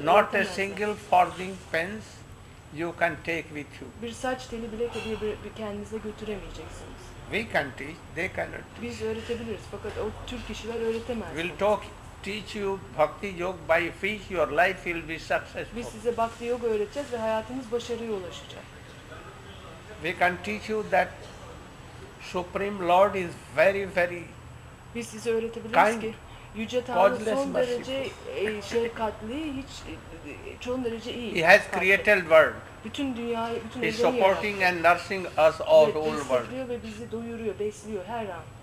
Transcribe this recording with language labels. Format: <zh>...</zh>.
<en>Not a single farthing pence you can take with you.</en> <tr>Bir saç teli bile bir kendinize götüremeyeceksiniz.</tr> <en>We can teach, they cannot teach.</en> <tr>Biz öğretebiliriz fakat o tür kişiler öğretemez.</tr> <en>We'll talk teach you bhakti yoga by which your life will be successful.</en> <tr>Biz size bhakti yoga öğreteceğiz ve hayatınız başarıya ulaşacak.</tr> <en>We can teach you that Supreme Lord is very very</en> <tr>biz size öğretebiliriz</tr> <en>kind,</en> <tr>ki Yüce Tanrı son derece şefkatli, hiç çoğun derece iyi.</tr> <en>He has created world.</en> <tr>Bütün dünyayı, bütün evreni yarattı.</tr> <en>He is supporting and nursing us all</en> <tr>ve</tr> <en>all world.</en> <tr>Besliyor ve bizi doyuruyor, besliyor her an.</tr>